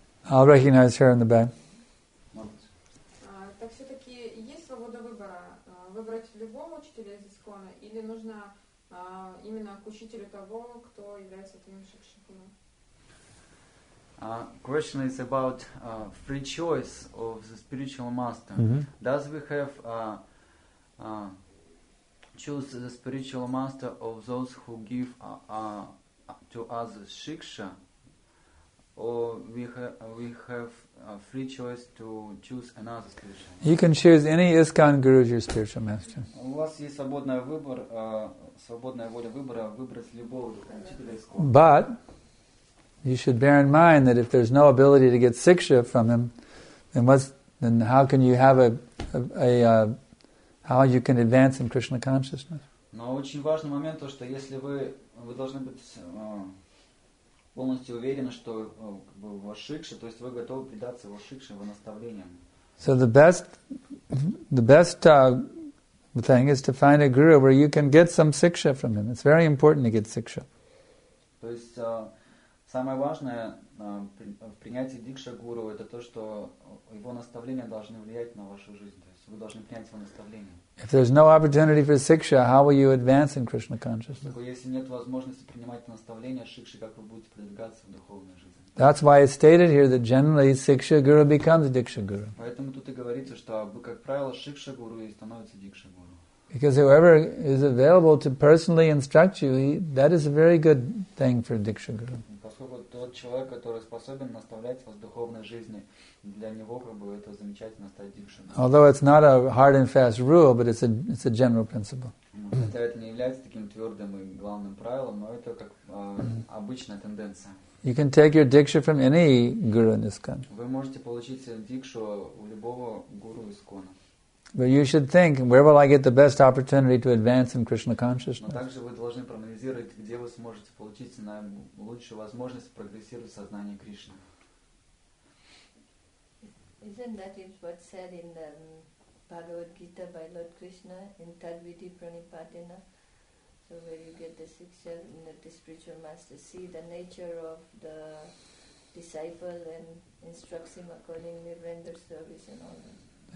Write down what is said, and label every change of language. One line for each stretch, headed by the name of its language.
English: I'll recognize her in the back.
Russian: Так все-таки есть свобода выбора, выбрать любого учителя из ИСКОНа или нужно именно к учителю того, кто является твоим шикшикуном?
English: Question is about free choice of the spiritual master. Mm-hmm. Does we have choose the spiritual master of those who give to us shiksha, or we have free choice to choose another spiritual master? You can choose any ISKCON guru as your spiritual master.
Russian: У вас есть свободный выбор, свободная воля выбора выбрать любого учителя ИСКОНа.
English: But you should bear in mind that if there's no ability to get siksha from him, then how can you have how you can advance in Krishna consciousness?
Russian: Но очень важный момент то, что если вы должны быть полностью уверены, что как бы ваш шикша, то есть вы готовы предаться его шикше, его наставлениям.
English: So the best thing is to find a guru where you can get some siksha from him. It's very important to get siksha.
Russian: То есть самое важное в принятии дикша гуру это то, что его наставления должны влиять на вашу жизнь. То есть вы должны принять его наставления.
English: If there's no opportunity for siksha, how will you advance in Krishna consciousness?
Russian: Если нет возможности принимать наставления шикши, как вы будете продвигаться в духовной жизни?
English: That's why it's stated here that generally siksha guru becomes diksha guru.
Russian: Поэтому тут и говорится, что как правило шикша гуру и становится дикша гуру.
English: Because whoever is available to personally instruct you, that is a very good thing for Diksha Guru.
Russian: Поскольку тот человек, который способен наставлять вас в духовной жизни, для него Прабху это замечательно стать Дикшей Гуру.
English: Although it's not a hard and fast rule, but it's a general principle.
Russian: Это не является таким твердым и главным правилом, но это как обычная тенденция.
English: You can take your Diksha from any guru in this country.
Russian: Вы можете получить Дикшу у любого гуру из Кона.
English: But you should think, where will I get the best opportunity to advance in Krishna consciousness?
Russian: Но также вы должны проанализировать, где вы сможете получить наилучшую возможность прогрессировать в сознании Кришны.
English: Isn't that what's said in the Bhagavad Gita by Lord Krishna in Tadviti Pranipatena? So where you get the siksha, the spiritual master see the nature of the disciple and instructs him accordingly, render service and all that.